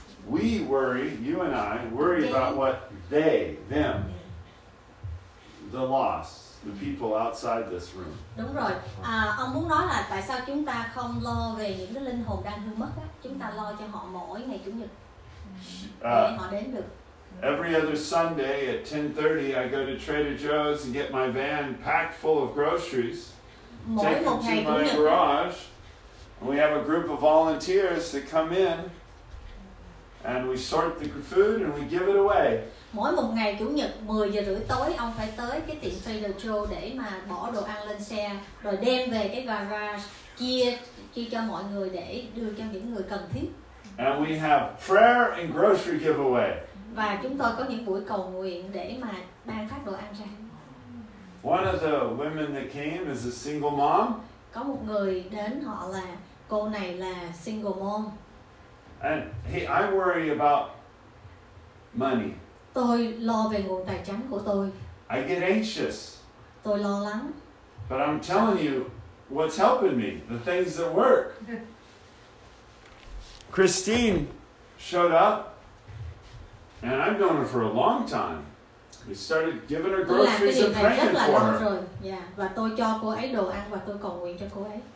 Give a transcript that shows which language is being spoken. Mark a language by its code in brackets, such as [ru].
[en] we worry, you and I, worry about what they, them, the lost, the people outside this room. [vi] Đúng rồi. Ông muốn nói là tại sao chúng ta không lo về những cái linh hồn đang hư mất á? Chúng ta lo cho họ mỗi ngày Chủ nhật. Họ đến được. [en] Every other Sunday at 10:30, I go to Trader Joe's and get my van packed full of groceries. [vi] Mỗi một ngày Chủ nhật. [en] Garage, and we have a group of volunteers that come in. And we sort the food and we give it away. [vi] Mỗi một ngày Chủ nhật 10 giờ rưỡi tối ông phải tới cái tiệm Trader Joe để mà bỏ đồ ăn lên xe rồi đem về cái garage chia cho mọi người để đưa cho những người cần thiết. [en] And we have prayer and grocery giveaway. [vi] Và chúng tôi có những buổi cầu nguyện để mà ban phát đồ ăn ra. [en] One of the women that came is a single mom. [vi] Có một người đến họ là cô này là [en] single mom. And hey, I worry about money. [vi] Tôi lo về nguồn tài chính của tôi. [en] I get anxious. [vi] Tôi lo lắng. [en] But I'm telling you what's helping me, the things that work. Christine, showed up, and I've known her for a long time. We started giving her groceries and praying for her.